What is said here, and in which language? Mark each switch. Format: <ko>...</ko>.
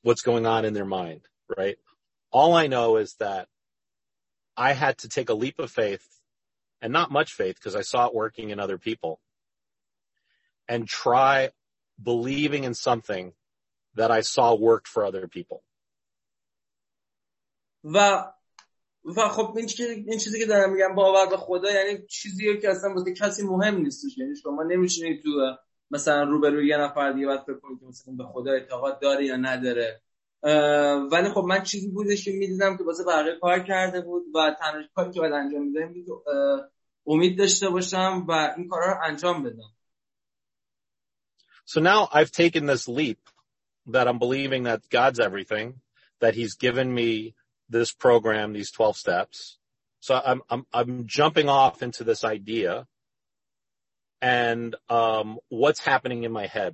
<en>What's going on in their mind, right? All I know is that I had to take a leap of faith, and not much faith because I saw it working in other people, and try believing in something that I saw worked for other people.</en> <fa>و خب این چیزی که دارم میگم باور به خدا یعنی چیزیه که اصلا واسه کسی مهم نیستش، یعنی شما نمیشینی تو مثلا روبروی یه نفر دیگه بعد فکر کنی که مثلا به خدا اعتقاد داره یا نداره. ولی خب من چیزی بودش که میدیدم که واسه بقیه کار کرده بود و تنها کاری که باید انجام میدادم بود امید داشته باشم و این کارا رو انجام بدم.</fa> <en>So now I've taken this leap that I'm believing that God's everything, that he's given me this program, these 12 steps. So I'm jumping off into this idea. And what's happening in my head?</en>